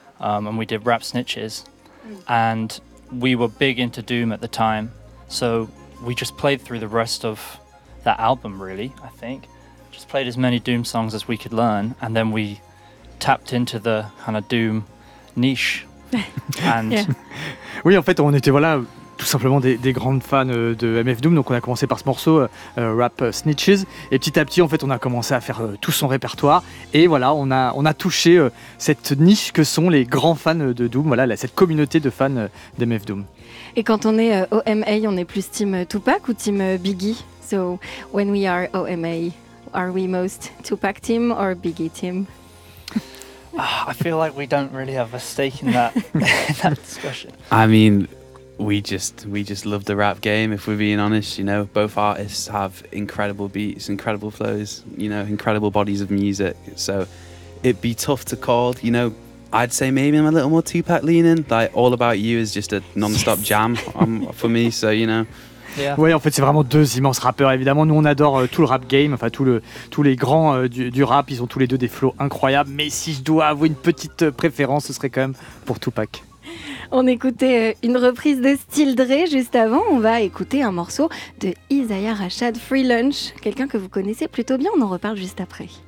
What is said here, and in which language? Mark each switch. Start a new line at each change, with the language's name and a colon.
English: And we did Rap Snitches. And we were big into Doom at the time, so we just played through the rest of that album, really, I think. Just played as many Doom songs as we could learn, and then we tapped into the kind of Doom niche. And
French: yeah. Oui, en fait, on était, voilà... tout simplement des grandes fans de MF Doom. Donc on a commencé par ce morceau, Rap Snitches, et petit à petit en fait on a commencé à faire tout son répertoire, et voilà, on a touché cette niche que sont les grands fans de Doom, voilà, cette communauté de fans d'MF Doom. Et quand on est OMA, on est plus team Tupac ou team Biggie?
English: So when we are OMA, are we most Tupac team or Biggie team? I feel like we don't really have a stake in that discussion. I mean, We just love the rap game, if we're being honest. You know, both artists have incredible beats, incredible flows, you know, incredible bodies of music. So it'd be tough to call, you know, I'd say maybe I'm a little more Tupac leaning. Like, All About You is just a non-stop jam for me, so you know. Yeah.
French: Oui, en fait, c'est vraiment deux immenses rappeurs. Évidemment, nous, on adore tout le rap game, enfin, tous les grands du rap. Ils ont tous les deux des flows incroyables. Mais si je dois avouer une petite préférence, ce serait quand même pour Tupac. On écoutait une reprise de Still Dre juste avant. On va écouter un morceau de Isaiah Rashad, Free Lunch, quelqu'un que vous connaissez plutôt bien. On en reparle juste après.